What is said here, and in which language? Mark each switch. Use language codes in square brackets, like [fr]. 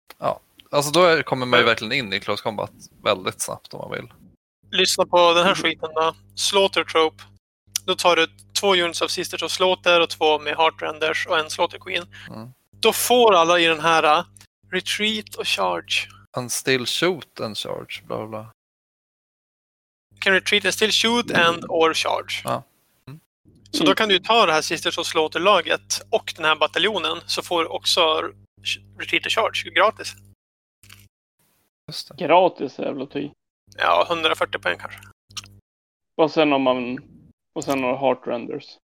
[sv] Ja, alltså då är, kommer man ju verkligen in i Close Combat väldigt snabbt om man vill. Lyssna på den här skiten då. Slaughter Trope. Då tar du 2 units av Sisters of Slaughter och 2 med Heartrenders och en Slaughter Queen. Mm. Då får alla i den här Retreat och Charge. [en] And still shoot and charge. Bla bla. Can retreat and still shoot and or charge. [sv] Ja. Mm. Så då kan du ta det här Sisters of Slaughter-laget och den här bataljonen så får du också Retreat och Charge gratis. Just det. Gratis är jävla ty. Ja, 140 poäng kanske. Och sen om man... Och sen några Heartrenders.